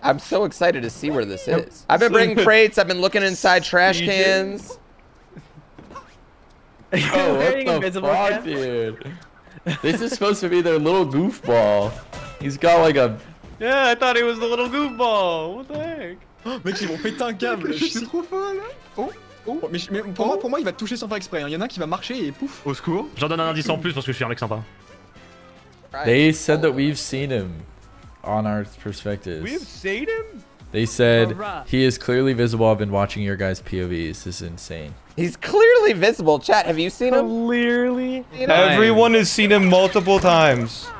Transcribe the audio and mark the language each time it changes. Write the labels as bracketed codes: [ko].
[en] I'm so excited to see where this is. I've been bringing crates, I've been looking inside trash cans. Oh, what the fuck, dude? This is supposed to be their little goofball. He's got like a... Yeah, I thought he was the little goofball. What the heck? [fr] Mec, ils vont péter un câble. Je suis trop fort là. Oh, oh. Mais pour, oh. Moi, pour moi, il va toucher sans faire exprès. Il y en a un qui va marcher et pouf. Au secours. J'en donne un indice en plus parce que je suis un mec sympa. [en] They said that we've seen him on our perspectives. We've seen him? They said he is clearly visible. I've been watching your guys' POVs. This is insane. He's clearly visible. Chat, have you seen him? Clearly. Everyone has seen him multiple times.